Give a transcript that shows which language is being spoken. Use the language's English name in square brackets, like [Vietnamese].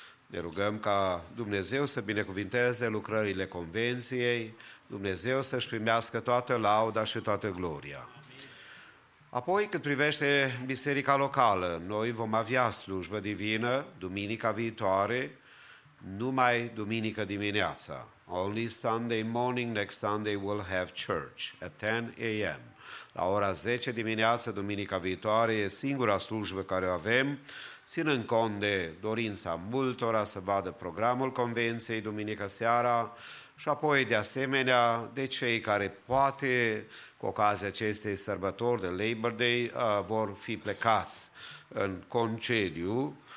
[Romanian] Ne rugăm ca Dumnezeu să binecuvinteze lucrările convenției, Dumnezeu să-și primească toată lauda și toată gloria. Apoi, cât privește biserica locală, noi vom avea slujbă divină duminica viitoare, numai duminică dimineața. [English] Only Sunday morning, next Sunday we'll have church at 10 a.m. [Romanian] La ora 10 dimineață, duminica viitoare, e singura slujbă care o avem, ținând cont de dorința multora să vadă programul convenției duminică seara și apoi, de asemenea, de cei care poate, cu ocazia acestei sărbători de Labor Day, vor fi plecați în concediu.